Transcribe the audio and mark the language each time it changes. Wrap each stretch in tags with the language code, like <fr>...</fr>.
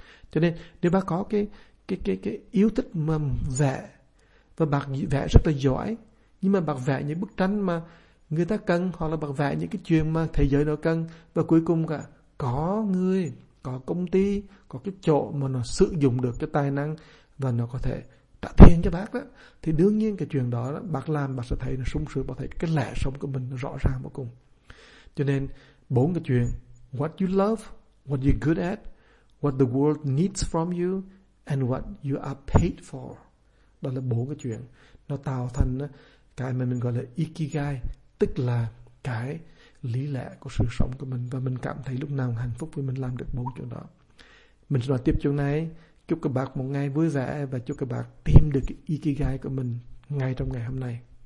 <vi>Cho nên nếu bác có cái yêu thích mà vẽ, và bác vẽ rất là giỏi, nhưng mà bác vẽ những bức tranh mà người ta cần, hoặc là bác vẽ những cái chuyện mà thế giới nó cần, và cuối cùng cả có người, có công ty, có cái chỗ mà nó sử dụng được cái tài năng và nó có thể trả tiền cho bác đó, thì đương nhiên cái chuyện đó, đó bác làm bác sẽ thấy nó sung sướng, bác thấy cái lẽ sống của mình nó rõ ràng vô cùng. Cho nên bốn cái chuyện:</vi> <en>what you love, what you're good at, what the world needs from you, and what you are paid for.</en> <vi>Đó là bốn cái chuyện nó tạo thành đó, cái mà mình gọi là ikigai, tức là cái lý lẽ của sự sống của mình, và mình cảm thấy lúc nào hạnh phúc vì mình làm được bốn chỗ đó. Mình sẽ nói tiếp chỗ này. Chúc các bạn một ngày vui vẻ, và chúc các bạn tìm được cái ikigai của mình ngay trong ngày hôm nay.</vi>